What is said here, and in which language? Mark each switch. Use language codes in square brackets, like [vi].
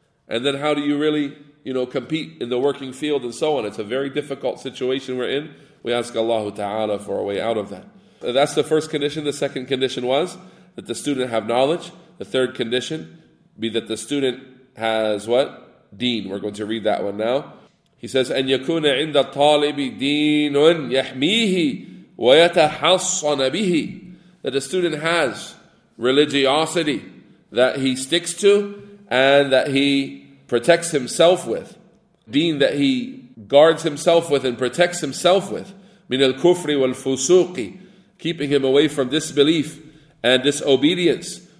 [en] And then how do you really, you know, compete in the working field and so on? It's a very difficult situation we're in. We ask Allah Ta'ala for a way out of that. That's the first condition. The second condition was that the student have knowledge. The third condition be that the student has what? Deen. We're going to read that one now. He says, [ar] أَنْ يَكُونَ عِنْدَ الطَّالِبِ دِينٌ يَحْمِيهِ وَيَتَحَصَّنَ بِهِ. [en] That a student has religiosity that he sticks to and that he protects himself with. Deen that he guards himself with and protects himself with. [ar] مِنَ الْكُفْرِ وَالْفُسُوقِ. [en] Keeping him away from disbelief and disobedience.